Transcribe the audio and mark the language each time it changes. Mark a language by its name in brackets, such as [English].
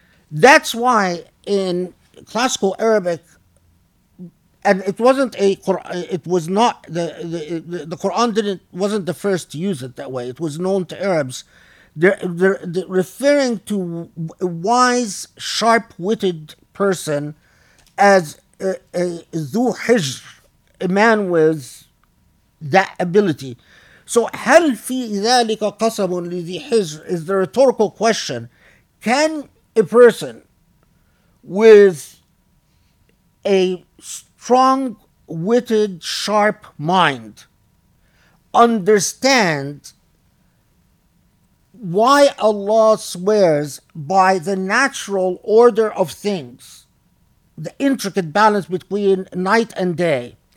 [English] That's why in classical Arabic, and it wasn't a it was not the Quran didn't wasn't the first to use it that way. It was known to Arabs. They're referring to a wise, sharp-witted person as a ذو حجر, a man with that ability. [Arabic] So, هل في ذلك قسم لذي حجر [English] is the rhetorical question. Can a person with a strong-witted, sharp mind understand why Allah swears by the natural order of things, the intricate balance between night and day?